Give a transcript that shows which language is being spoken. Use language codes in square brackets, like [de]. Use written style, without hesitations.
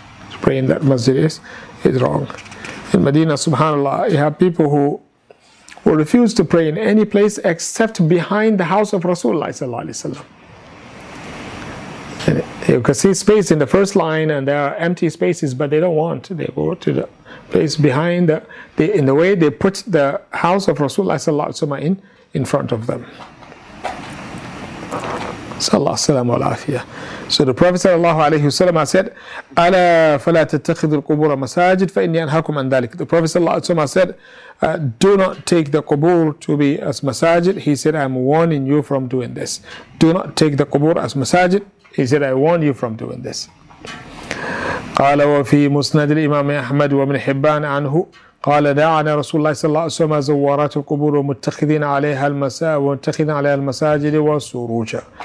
[en] To pray in that masjid is wrong. In Medina, subhanAllah, you have people who refuse to pray in any place except behind the house of Rasulullah sallallahu alayhi wa sallam. You can see space in the first line and there are empty spaces, but they don't want. They go to the place behind in the way they put the house of Rasulullah sallallahu alayhi wa sallam in front of them. [ar] Sallallahu alayhi wa sallam. [en] So the Prophet sallallahu alayhi wa sallam said, [ar] أَلَا فَلَا تَتَّخِذُ الْقُبُورَ مَسَاجِدْ فَإِنِّي أَنْهَاكُمْ عَنْ ذَلِكَ. [en] The Prophet sallallahu alayhi wa sallam said, do not take the qubur to be as masajid. He said, I'm warning you from doing this. Do not take the qubur as masajid. He said, I warn you from doing this. [ar] قَالَ وَفِي مُسْنَدِ الْإِمَامِ أَحْمَدُ وَمِنْ حِبَّانَ عَنْهُ قَالَ دَعَنَا رَسُولُ اللَّهِ صَلَّى اللَّهُ عَلَيْهِ وَسَلَّمَ زَوَّارَاتِ الْقُبُورِ وَمُتَّخِذِينَ عَلَيْهَا الْمَسَاجِدِ وَالسُّرُوجَ.